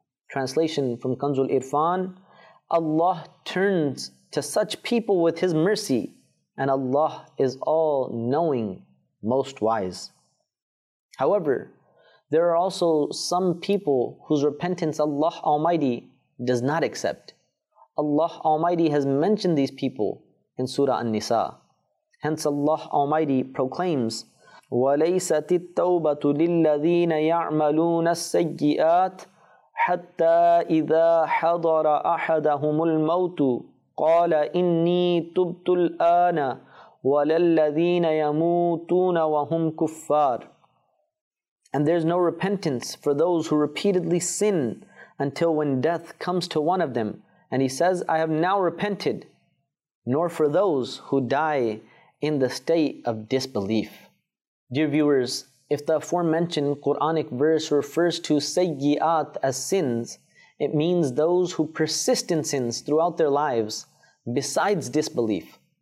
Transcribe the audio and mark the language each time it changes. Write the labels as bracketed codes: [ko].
[en] Translation from Kanzul Irfan: Allah turns to such people with His mercy, and Allah is all-knowing, most wise. However, there are also some people whose repentance Allah Almighty does not accept. Allah Almighty has mentioned these people in Surah An-Nisa. Hence Allah Almighty proclaims, [ar] وَلَيْسَتِ التَّوْبَةُ لِلَّذِينَ يَعْمَلُونَ السَّيِّئَاتِ حَتَّى إِذَا حَضَرَ أَحَدَهُمُ الْمَوْتُ قَالَ إِنِّي تُبْتُ الْآنَ وَلَلَّذِينَ يَمُوتُونَ وَهُمْ كُفَّارٌ. [en] And there's no repentance for those who repeatedly sin until when death comes to one of them, and he says, I have now repented, nor for those who die in the state of disbelief. Dear viewers, if the aforementioned Quranic verse refers to sayyi'at as sins, it means those who persist in sins throughout their lives besides disbelief.